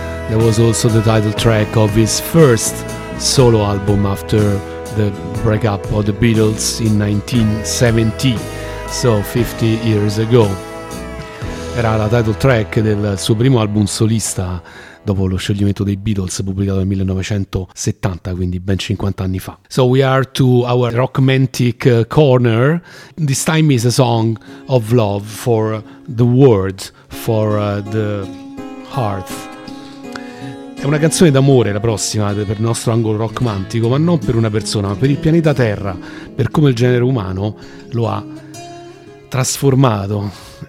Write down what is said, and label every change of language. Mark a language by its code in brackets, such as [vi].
[en] That was also the title track of his first solo album after the breakup of the Beatles in 1970, so 50 years ago. [it] Era la title track del suo primo album solista dopo lo scioglimento dei Beatles, pubblicato nel 1970, quindi ben 50 anni fa. [en] So we are to our Rockmantic corner. This time is a song of love for the world, for the heart. [it] È una canzone d'amore la prossima per il nostro angolo rockmantico, ma non per una persona, ma per il pianeta Terra, per come il genere umano lo ha trasformato.